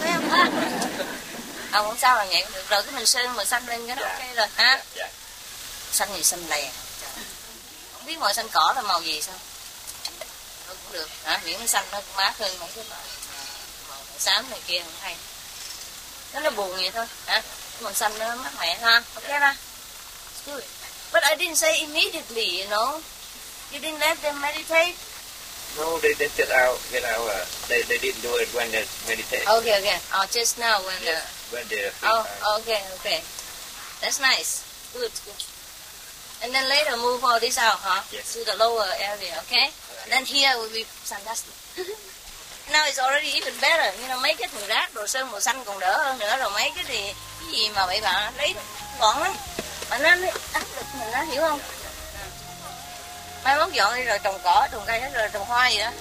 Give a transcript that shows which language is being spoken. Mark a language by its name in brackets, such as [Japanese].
[Vietnamese] Thấy không? À, không sao là nhẹn được. Rồi cái mình sơn mà xanh lên cái nó ok rồi. Hả? Xanh gì xanh lè. Không biết màu xanh cỏ là màu gì sao? Được hả, miễn xanh nó cũng mát hơn một cái màu xám này kia cũng hay, nó buồn vậy thôi hả, màu xanh nó mát mẻ ha. [English] Ok ba, but I didn't say immediately, you know, you didn't let them meditate. No, they did it out, you know, they didn't do it when they meditate. Okay, okay, oh, just now when yes, when they okay, that's nice, good, good, and then later move all this out, huh? Yes. To the lower area, okay. Then here will be fantastic. Now it's already even better. [Vietnamese] You know, mấy cái thùng rác đồ sơn màu xanh còn đỡ hơn nữa. Rồi mấy cái gì, mà bậy bạ lấy gọn lắm. Mà nó áp lực mình đó, hiểu không? Mai mốt dọn đi rồi trồng cỏ, trồng cây hết rồi, trồng hoa gì đó.